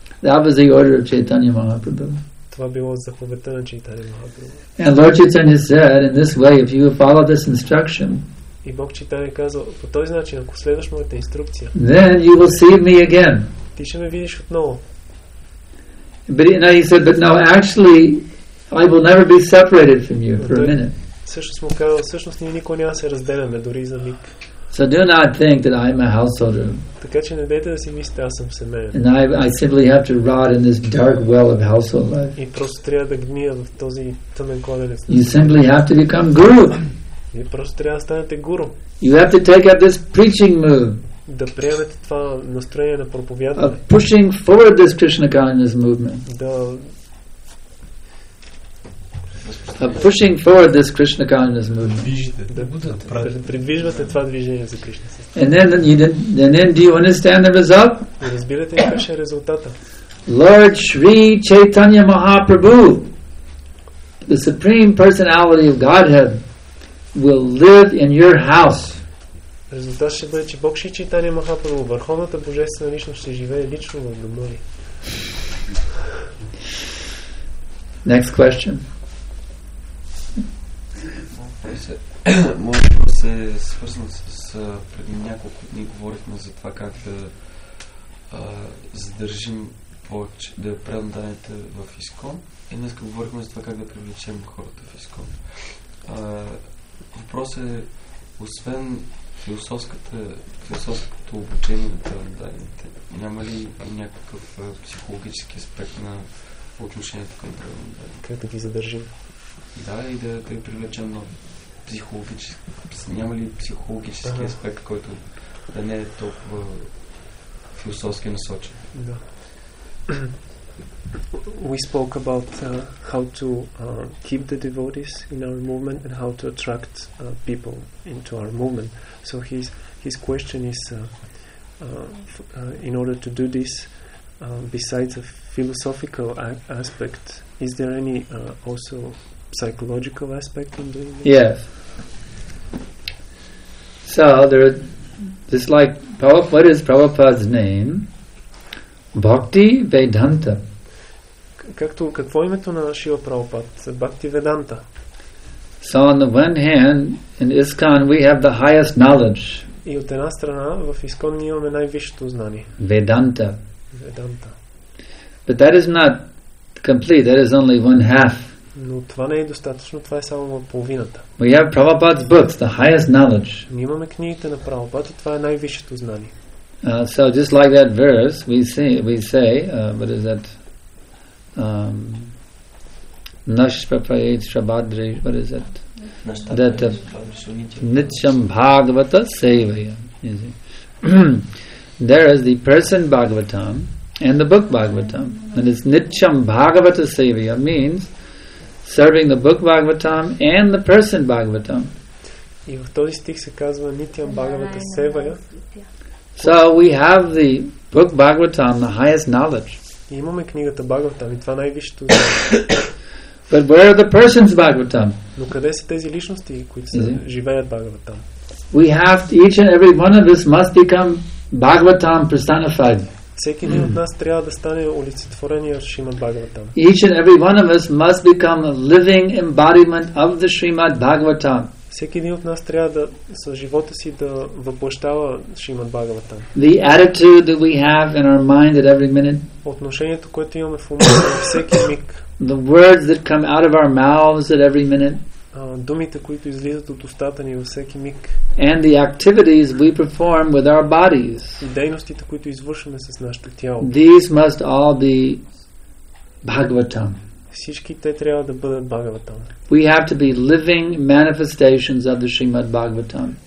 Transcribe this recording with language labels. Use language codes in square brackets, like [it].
[en] That was the order of Chaitanya Mahaprabhu. [bg] Това било заповедта на Чайтанья Махапрабху. [en] And Lord Chaitanya said, in this way, if you follow this instruction, [bg] и Бог Чайтанья казал, по този начин, ако следваш моята инструкция, [en] then you will see me again. [bg] Ти ще ме видиш отново. [en] But he, now he said, but no, actually, I will never be separated from you for a minute. [bg] Всъщност му казал, всъщност ние никога няма се разделяме, дори за миг. [en] So do not think that I am a householder. [bg] Така че не дейте да си мислите, аз съм семеен. [en] And I simply have to rot in this dark well of household life. [bg] И просто трябва да гния в този тъмен кладенец. [en] You simply have to become guru. [bg] И просто трябва да станете гуру. [en] You have to take up this preaching move. [bg] Да приемете това настроение на проповядване. [en] Of pushing forward this Krishna consciousness movement. [bg] Да. [en] Pushing forward this Krishna consciousness movement. [bg] Придвижвате това движение за Кришна сестра. [en] And then do you understand the result? [bg] Разбирате ли какъв е резултата? [en] Lord Shri Chaitanya Mahaprabhu, the Supreme Personality of Godhead, will live in your house. [bg] Резултатът ще бъде, че Бог Шри Чайтанья Махапрабху, Върховната Божествена Личност, ще живее лично в дома ви. [en] Next question. [bg] Моят въпрос е свързан с преди няколко дни говорихме за това как да задържим да правим данните в ИСКОН. И днес говорихме за това как да привлечем хората в ИСКОН. Въпросът е, освен философското обучение на преданите, няма ли някакъв психологически аспект на отношението към преданите? Как да ги задържим? Да, и да привлечем нов психологически... Няма ли психологически аспект, който да не е толкова философски насочен? Да. [en] We spoke about how to keep the devotees in our movement and how to attract people into our movement. So his question is, in order to do this, besides a philosophical aspect, is there any also psychological aspect in doing this? Yes. So there, just like what is Prabhupada's name? Bhakti Vedanta. [bg] Какво името на Шрила Прабхупада? Бхакти Веданта. [en] So on the one hand, in ISKCON we have the highest knowledge. [bg] И от една страна, в ISKCON ние имаме най-висшето знание. Веданта. Веданта. [en] But that is not complete, that is only one half. [bg] Но това не е достатъчно, това е само половината. [en] We have Prabhupada's books, the highest knowledge. [bg] Ние имаме книгите на Прабхупада и това е най-висшето знание. [en] So just like that verse, we say, what is that? Nashprapayetshabhadri, what is it? That [sa] Nityam Bhagavata Sevaya. [en] There is the person Bhagavatam and the book Bhagavatam. And it's Nityam Bhagavata Sevaya means serving the book Bhagavatam and the person Bhagavatam. [bg] И в този стих се казва [sa] Nityam Bhagavata Sevaya. [en] So we have the book Bhagavatam, the highest knowledge. [bg] Имаме книгата Бхагаватам и това най-висшето. [en] But where are the persons Бхагаватам? [bg] Но къде са тези личности, които живеят Бхагаватам? [en] We have to, each and every one of us must become Бхагаватам personified. [bg] Всеки един от нас трябва да стане олицетворение на Шримад Бхагаватам. [en] Each and every one of us must become a living embodiment of the Шримад Бхагаватам. [bg] Всеки един от нас трябва да с живота си да въплъщава Шримад Бхагаватам. [en] The attitude that we have in our mind at every minute. [bg] Отношението, което имаме в ума на всеки миг. [en] The words that come out of our mouths at every minute. [bg] Думите, които излизат от устата ни във всеки миг. [en] And the activities we perform with our bodies. [bg] И дейностите, които извършваме с нашето тяло. [en] These must all be Бхагаватам. [bg] Всички те трябва да бъдат Бхагаватам. [en] We have to be living manifestations of the Shrimad Bhagavatam.